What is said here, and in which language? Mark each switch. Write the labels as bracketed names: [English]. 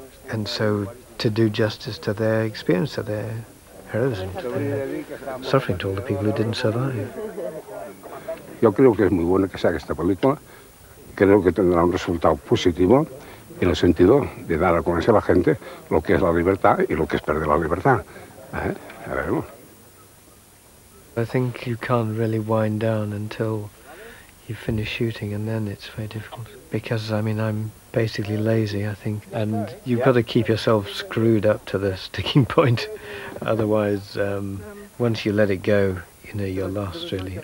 [Spanish] And so to do justice to their experience, to their heroism, to their suffering, to all the people who didn't survive. Yo creo que es muy bueno que se haga esta película. Creo que tendrá un resultado positivo en el sentido de dar a conocer a la gente lo que es la libertad y lo que es perder la libertad. A ver. [English] I think you can't really wind down until you finish shooting, and then it's very difficult. Because, I mean, I'm basically lazy, I think. And you've got to keep yourself screwed up to the sticking point. Otherwise, once you let it go, you know, you're lost, really.